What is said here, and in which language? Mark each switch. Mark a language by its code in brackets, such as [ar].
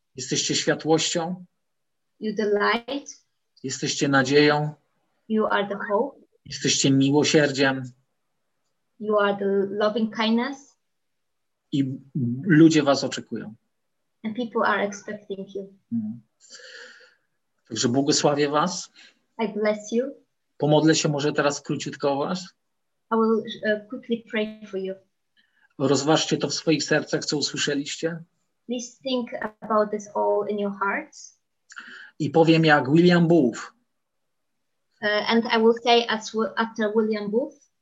[pl] Jesteście światłością. [en] You're the light. [pl] Jesteście nadzieją. [en] You are the hope. [pl] Jesteście miłosierdziem. [en] You are the loving kindness. [pl] I ludzie was oczekują. [en] And people are expecting you. [pl] Także błogosławię was. [en] I bless you. [pl] Pomodlę się może teraz króciutko o was. [en] I will quickly pray for you. [pl] Rozważcie to w swoich sercach, co usłyszeliście. [en] Please think about this all in your hearts. [pl] I powiem jak William Booth. [en] And I will say as after William Booth.